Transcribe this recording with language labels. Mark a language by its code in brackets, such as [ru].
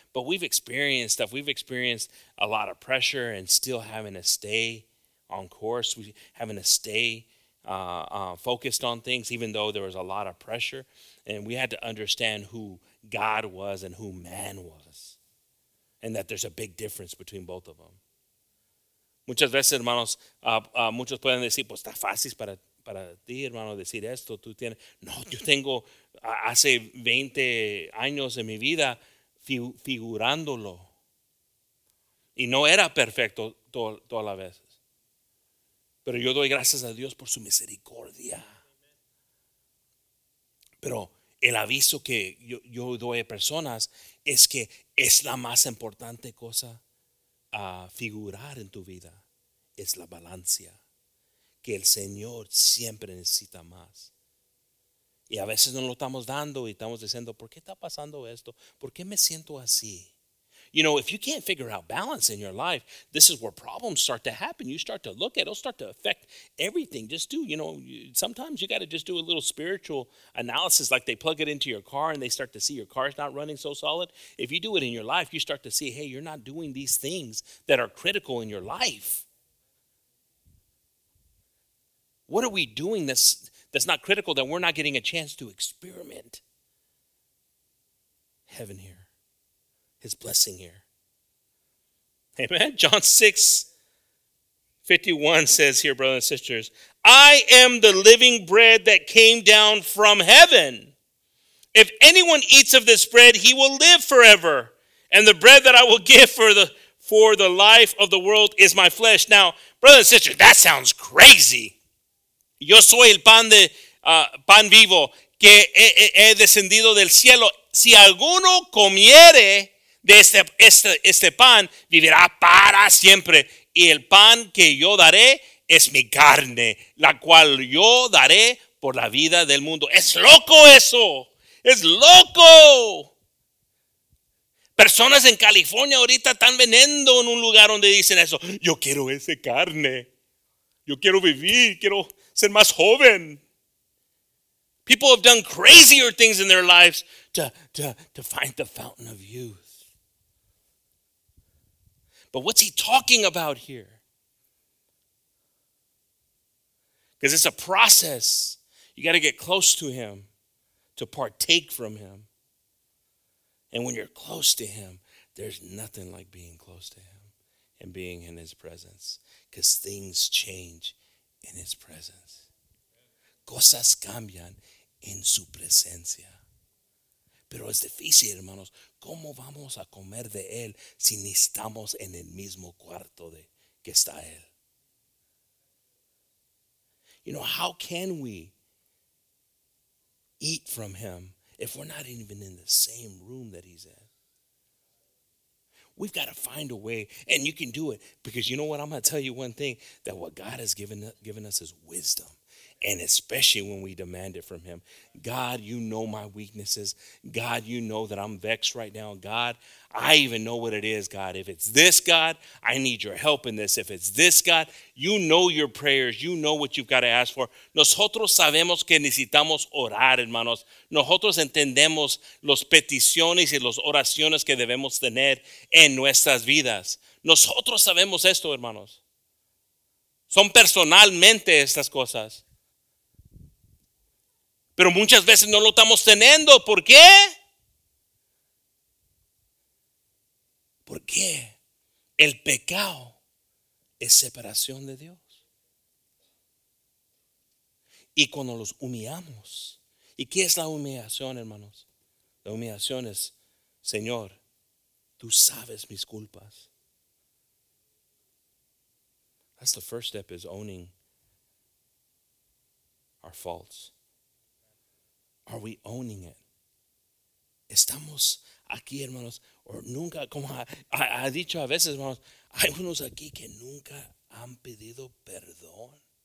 [en] But we've experienced stuff. We've experienced a lot of pressure and still having to stay on course. We having to stay focused on things, even though there was a lot of pressure. And we had to understand who God was and who man was. And that there's a big difference between both of them. [es] Muchas veces, hermanos, muchos pueden decir, pues está fácil para ti, hermano, decir esto. Tú tienes. No, yo tengo hace 20 años en mi vida figurándolo. Y no era perfecto todas las veces. Pero yo doy gracias a Dios por su misericordia. Pero el aviso que yo doy a personas es que es la más importante cosa a figurar en tu vida. Es la balanza. Que el Señor siempre necesita más. Y a veces no lo estamos dando y estamos diciendo, ¿por qué está pasando esto? ¿Por qué me siento así? [en] You know, if you can't figure out balance in your life, this is where problems start to happen. You start to look at it, it'll start to affect everything. Just do, you know, sometimes you got to just do a little spiritual analysis, like they plug it into your car and they start to see your car's not running so solid. If you do it in your life, you start to see, hey, you're not doing these things that are critical in your life. What are we doing that's not critical that we're not getting a chance to experiment? Heaven here. His blessing here. Amen. John 6:51 says here, brothers and sisters, I am the living bread that came down from heaven. If anyone eats of this bread, he will live forever. And the bread that I will give for the life of the world is my flesh. Now, brothers and sisters, that sounds crazy. [es] Yo soy el pan de pan vivo que he descendido del cielo. Si alguno comiere de este pan vivirá para siempre, y el pan que yo daré es mi carne, la cual yo daré por la vida del mundo. Es loco eso, es loco. Personas en California ahorita están vendiendo en un lugar donde dicen eso, yo quiero esa carne, yo quiero vivir, quiero ser más joven. [en] People have done crazier things in their lives to find the fountain of youth. But what's he talking about here? Because it's a process. You got to get close to him to partake from him. And when you're close to him, there's nothing like being close to him and being in his presence. Because things change in his presence. [es] Cosas cambian en su presencia. Pero es difícil, hermanos. ¿Cómo vamos a comer de él si ni estamos en el mismo cuarto de que está él? [en] You know, how can we eat from him if we're not even in the same room that he's in? We've got to find a way, and you can do it, because you know what? I'm going to tell you one thing, that what God has given us is wisdom. And especially when we demand it from him. God, you know my weaknesses. God, you know that I'm vexed right now. God, I even know what it is, God. If it's this, God, I need your help in this. If it's this, God, you know your prayers. You know what you've got to ask for. [es] Nosotros sabemos que necesitamos orar, hermanos. Nosotros entendemos las peticiones y las oraciones que debemos tener en nuestras vidas. Nosotros sabemos esto, hermanos. Son personalmente estas cosas. Pero muchas veces no lo estamos teniendo. ¿Por qué? Porque el pecado es separación de Dios. Y cuando los humillamos, ¿y qué es la humillación, hermanos? La humillación es, Señor, tú sabes mis culpas. [en] That's the first step, is owning our faults. Are we owning it? [es] Estamos aquí, hermanos, o nunca, como ha dicho a veces, hermanos, hay unos aquí que nunca han pedido perdón.